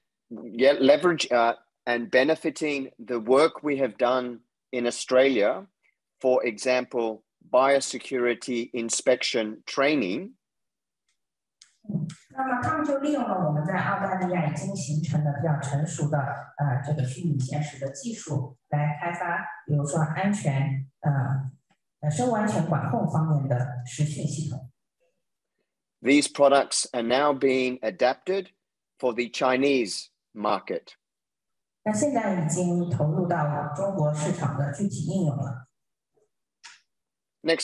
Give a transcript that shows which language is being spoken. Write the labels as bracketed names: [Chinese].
[English] yet leverage and benefiting the work we have done in Australia, for example, biosecurity inspection training. [Chinese] 那么他们就利用了我们在澳大利亚已经形成的比较成熟的这个虚拟现实的技术来开发，比如说安全，生物安全管控方面的实训系统。 [English] These products are now being adapted for the Chinese market. [Chinese] 那现在已经投入到中国市场的具体应用了。 [English] Next